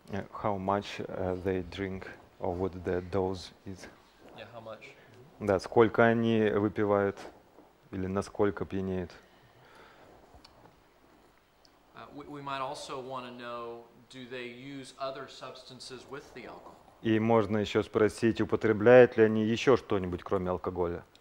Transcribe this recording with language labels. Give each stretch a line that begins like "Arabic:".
English: How much they drink or what the dose is? Yeah, how much?
Russian: Да, сколько они выпивают или насколько пьянеют?
English: We might also want to know, do they use other substances with the alcohol?
Russian: И можно еще спросить, употребляют ли они еще что-нибудь кроме алкоголя?